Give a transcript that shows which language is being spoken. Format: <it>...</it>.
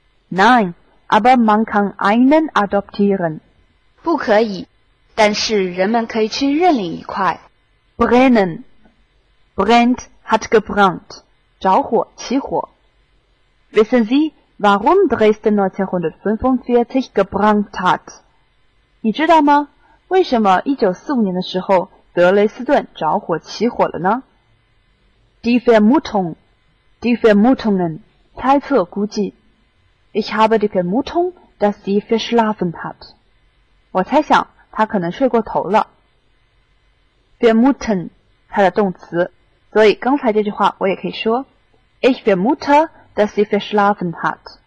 <de>Nein, aber man kann einen adoptieren.</de> <zh>不可以，但是人们可以去认领一块。</zh> <de>Brennen, brennt hat gebrannt.</de> <zh>着火、起火。</zh> <de>Wissen Sie, warum Dresden 1945 gebrannt hat?</de> <zh>你知道吗？为什么1945年的时候德累斯顿着火、起火了呢？</zh> <de>Die Vermutungen,</de> <zh>猜测估计。</zh> <de>Ich habe die Vermutung, dass sie verschlafen hat.</de> <zh>我猜想他可能睡过头了。</zh> <de>Vermuten,</de> <zh>他的动词。所以刚才这句话我也可以说。</zh> <de>Ich vermute, dass sie verschlafen hat.</de>